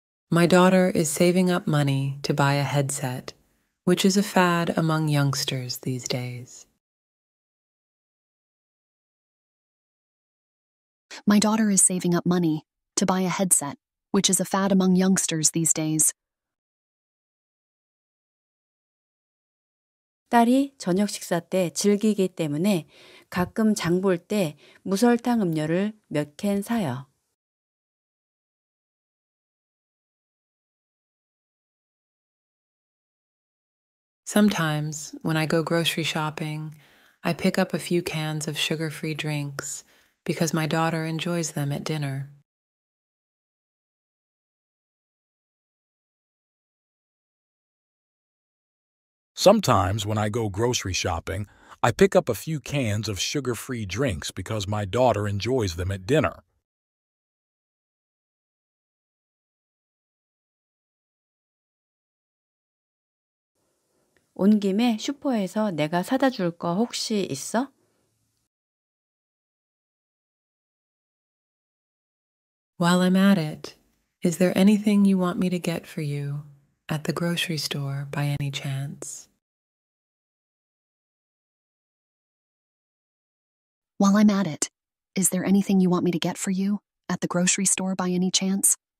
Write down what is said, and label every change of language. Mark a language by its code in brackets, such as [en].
[en] My daughter is saving up money to buy a headset, which is a fad among youngsters these days. My daughter is saving up money to buy a headset, which is a fad among youngsters these days. [ko] 딸이 저녁 식사 때 즐기기 때문에 가끔 장 볼 때 무설탕 음료를 몇 캔 사요. [en] Sometimes, when I go grocery shopping, I pick up a few cans of sugar-free drinks. Because my daughter enjoys them at dinner. Sometimes when I go grocery shopping, I pick up a few cans of sugar-free drinks because my daughter enjoys them at dinner. [ko] 온 김에 슈퍼에서 내가 사다 줄 거 혹시 있어? [en] While I'm at it, is there anything you want me to get for you at the grocery store by any chance? While I'm at it, is there anything you want me to get for you at the grocery store by any chance?